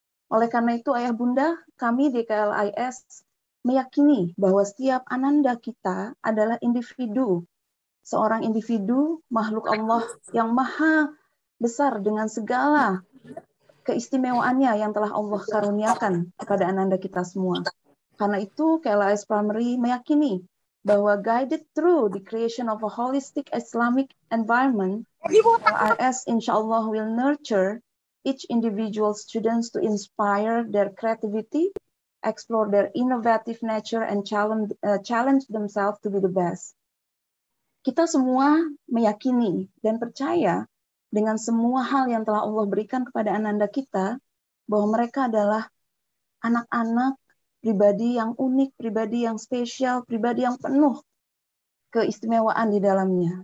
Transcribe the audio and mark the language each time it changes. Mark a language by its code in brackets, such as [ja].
[id] Oleh karena itu, Ayah Bunda, kami di KLIS meyakini bahwa setiap ananda kita adalah individu, seorang individu, makhluk Allah yang maha besar dengan segala keistimewaannya yang telah Allah karuniakan kepada ananda kita semua. Karena itu, KLIS Primary meyakini bahwa [en] guided through the creation of a holistic Islamic environment, KLIS insyaAllah will nurture each individual students to inspire their creativity, explore their innovative nature, and challenge themselves to be the best. [id] Kita semua meyakini dan percaya dengan semua hal yang telah Allah berikan kepada ananda kita, bahwa mereka adalah anak-anak pribadi yang unik, pribadi yang spesial, pribadi yang penuh keistimewaan di dalamnya.